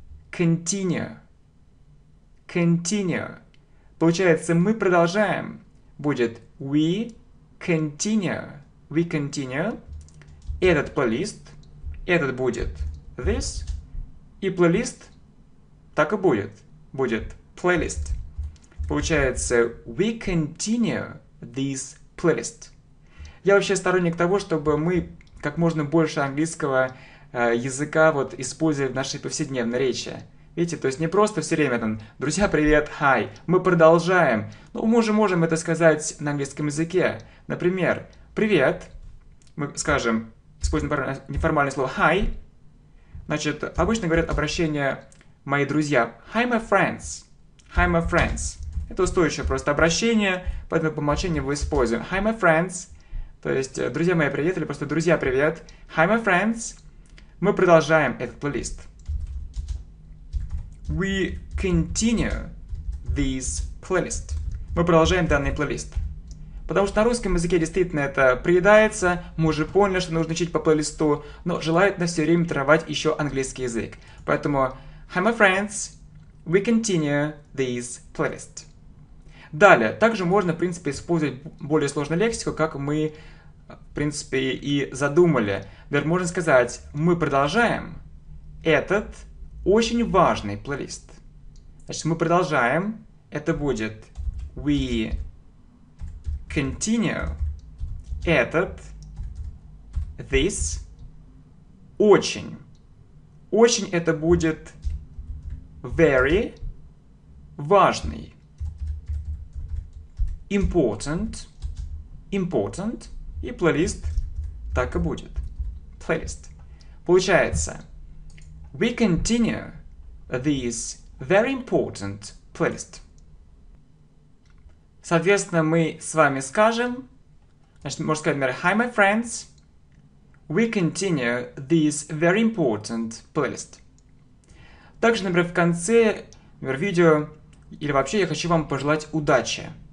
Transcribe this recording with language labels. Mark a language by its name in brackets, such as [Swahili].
[English] «Continue». «Continue». [Russian] Получается, мы продолжаем. Будет [English] «we continue», [Russian] «we continue», этот плейлист, этот будет «this», и плейлист так и будет, будет «playlist». Получается «we continue this playlist». Я вообще сторонник того, чтобы мы как можно больше английского языка вот использовали в нашей повседневной речи. Видите, то есть не просто все время там «друзья, привет, хай», «мы продолжаем». Ну, мы же можем это сказать на английском языке. Например, «привет», мы скажем, используем неформальное слово «хай». Значит, обычно говорят обращение «мои друзья». [English] «Hi, my friends», «hi, my friends». [Russian] Это устойчивое просто обращение, поэтому по умолчанию его используем. [English] «Hi, my friends», [Russian] то есть «друзья мои, привет», или просто «друзья, привет», [English] «hi, my friends», [Russian] «мы продолжаем этот плейлист». [English] We continue this playlist. [Russian] Мы продолжаем данный плейлист. Потому что на русском языке действительно это приедается. Мы уже поняли, что нужно учить по плейлисту, но желательно все время тренировать еще английский язык. [English] Поэтому hi, my friends, we continue this playlist. [Russian] Далее, также можно, в принципе, использовать более сложную лексику, как мы, в принципе, и задумали. Например, можно сказать, мы продолжаем этот очень важный плейлист. Значит, мы продолжаем. Это будет [English] we continue [Russian] этот, this, очень. Очень это будет very, важный. [English] Important, important, [Russian] и плейлист так и будет. Плейлист. [English] Получается, we continue this very important playlist. [Russian] Соответственно, мы с вами скажем, значит, можно сказать, например, [English] hi, my friends, we continue this very important playlist. [Russian] Также, например, в конце, например, видео, или вообще я хочу вам пожелать удачи.